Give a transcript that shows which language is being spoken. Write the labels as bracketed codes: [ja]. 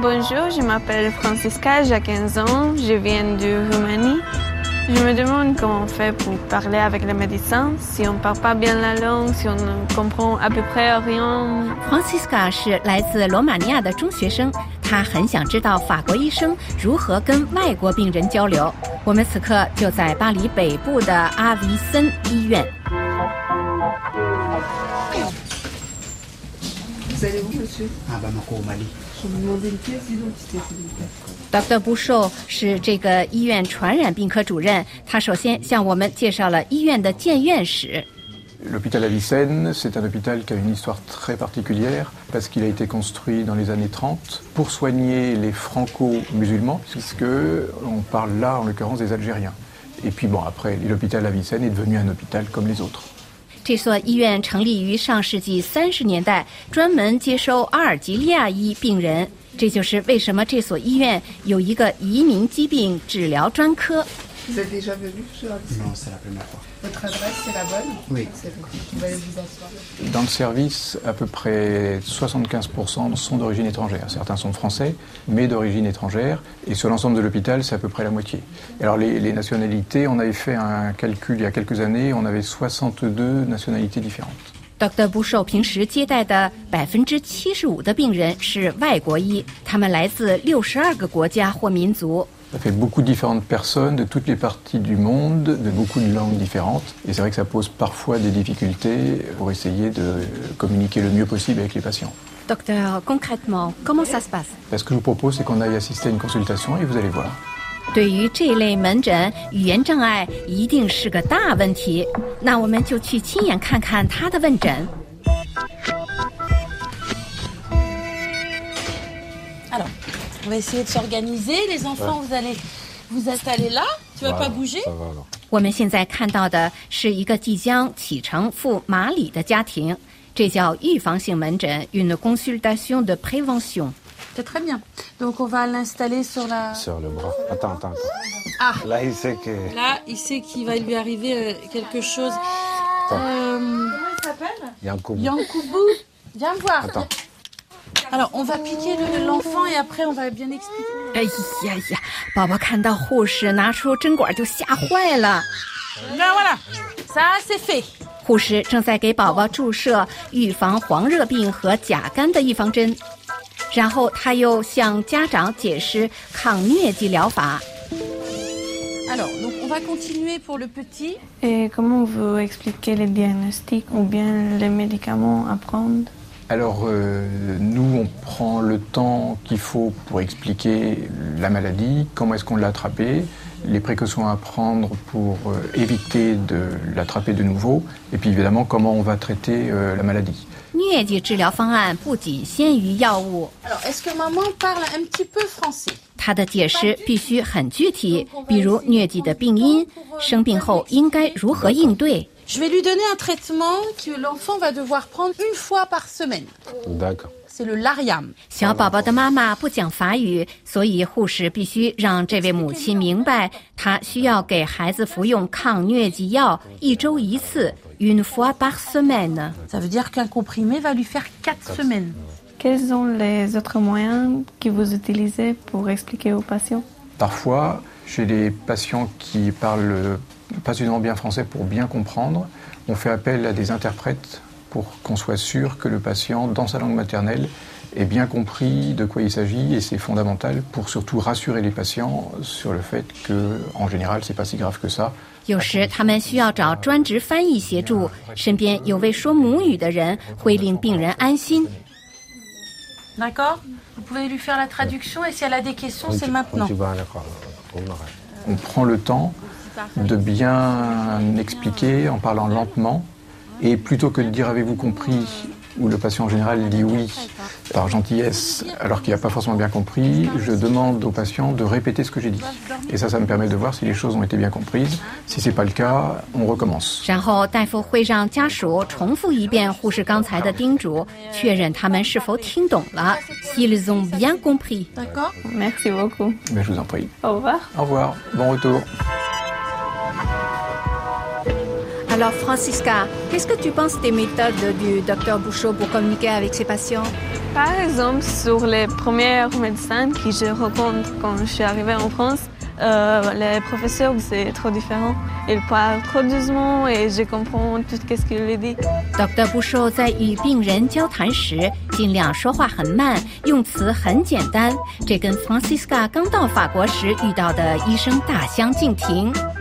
[fr] Bonjour, je m'appelle Francisca, j'ai 15 ans, je viens de Roumanie. Je me demande comment on fait pour parler avec les médecins, si on ne parle pas bien la langue, si on ne comprend à peu près rien. [zh] Francisca 是来自罗马尼亚的中学生，他很想知道法国医生如何跟外国病人交流。我们此刻就在巴黎北部的阿维森医院。 Dr. Bouchot 是这个医院传染病科主任，他首先向我们介绍了医院的建院史。 [fr] L'hôpital Avicenne, c'est un hôpital qui a une histoire très particulière parce qu'il a été construit dans les années 30 pour soigner les franco-musulmans, puisqu'on parle là, en l'occurrence, des Algériens. Et puis bon, après, l'hôpital Avicenne est devenu un hôpital comme les autres. [zh] 这所医院成立于上世纪30年代，专门接收阿尔及利亚裔病人。这就是为什么这所医院有一个移民疾病治疗专科。 [fr] Vous êtes déjà venu chez Avicenne? Non, c'est la première fois. Votre adresse, c'est la bonne? Oui. Vous allez vous asseoir. Dans le service, à peu près 75% sont d'origine étrangère. Certains sont français, mais d'origine étrangère. Et sur l'ensemble de l'hôpital, c'est à peu près la moitié. Alors les nationalités, on avait fait un calcul il y a quelques années, on avait 62 nationalités différentes. [zh] Dr. Bouchot 平时接待的 75% 的病人是外国医，他们来自62个国家或民族。 [fr] Ça fait beaucoup de différentes personnes de toutes les parties du monde, de beaucoup de langues différentes. Et c'est vrai que ça pose parfois des difficultés pour essayer de communiquer le mieux possible avec les patients. Docteur, concrètement, comment ça se passe ? Ce que je vous propose, c'est qu'on aille assister à une consultation et vous allez voir. [zh] 对于这类门诊，语言障碍一定是个大问题。那我们就去亲眼看看他的问诊。 [fr] Alors, on va essayer de s'organiser. Les enfants, vous allez vous installer là. Tu vas pas bouger. [zh] 我们现在看到的是一个即将启程赴马里的家庭，这叫预防性门诊 [fr] （une consultation de prévention）。 C'est très bien. Donc, on va l'installer sur la... Sur le bras. Attends. Ah. Là, il sait que... Là, il sait qu'il va lui arriver quelque chose. Comment il s'appelle ? Yankoubou. Yankoubou. Viens me voir. Attends. Alors, on va piquer l'enfant et après, on va bien expliquer. Aïe. Baba, quand on voit le médecin, il s'est fait chier. Là, voilà. Ça, c'est fait. [zh] 护士正在给宝宝注射预防黄热病和甲肝的预防针，然后他又向家长解释抗疟疾疗法。 [fr] Alors, donc on va continuer pour le petit. Et comment vous expliquez les diagnostics ou bien les médicaments à prendre? Alors, nous, on prend le temps qu'il faut pour expliquer la maladie, comment est-ce qu'on l'a attrapée, les précautions à prendre pour éviter de l'attraper de nouveau, et puis évidemment, comment on va traiter la maladie. [zh] 疟疾治疗方案不仅限于药物。 [fr] Alors, est-ce que maman parle un petit peu français? [zh] 她的解释必须很具体，比如疟疾的病因，生病后应该如何应对。 [fr] Je vais lui donner un traitement que l'enfant va devoir prendre une fois par semaine. D'accord. C'est le Lariam. [zh] 小宝宝的妈妈不讲法语，所以护士必须让这位母亲明白，她需要给孩子服用抗疟疾药一周一次 ， [fr] une fois par semaine. Ça veut dire qu'un comprimé va lui faire quatre semaines. Quels sont les autres moyens que vous utilisez pour expliquer aux patients? Parfois, j'ai des patients qui parlent pas seulement bien français pour bien comprendre, on fait appel à des interprètes pour qu'on soit sûr que le patient, dans sa langue maternelle, ait bien compris de quoi il s'agit et c'est fondamental pour surtout rassurer les patients sur le fait que, en général, c'est pas si grave que ça. [zh] 有时他们需要找专职翻译协助，身边有位说母语的人会令病人安心。 [fr] D'accord? Vous pouvez lui faire la traduction et si elle a des questions, c'est maintenant. On prend le temps de bien expliquer en parlant lentement et plutôt que de dire avez-vous compris ou le patient en général dit oui par gentillesse alors qu'il n'a pas forcément bien compris, je demande au patient de répéter ce que j'ai dit. Et ça me permet de voir si les choses ont été bien comprises. Si ce n'est pas le cas, on recommence. [zh] 然后大夫会让家属重复一遍护士刚才的叮嘱，确认他们是否听懂了， [fr] s'ils ont bien compris. D'accord. Merci beaucoup. Mais je vous en prie. Au revoir. Au revoir. Bon retour. Alors Francisca, qu'est-ce que tu penses des méthodes du docteur Bouchot pour communiquer avec ses patients? Par exemple, sur les premières médecins que je rencontre quand je suis arrivée en France, les professeurs, c'est trop différent. Ils parlent trop doucement et je comprends tout ce qu'ils lui disent. [zh] Docteur Bouchot, 在与病人交谈时，尽量说话很慢，用词很简单。这跟 Francisca 刚到法国时遇到的医生大相径庭。